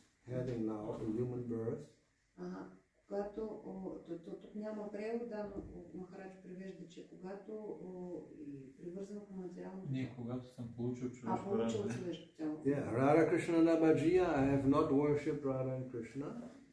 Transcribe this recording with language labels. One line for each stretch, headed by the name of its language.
English: having now a human birth.
Bulgarian: Когато тук няма превод, да, но Махарадж превежда, че когато привързан към материалното. Не, когато съм получил човешко тяло. Получил човешко тяло.
English: Yeah, Radha Krishna Nabajiya, I have not worshipped Radha and Krishna.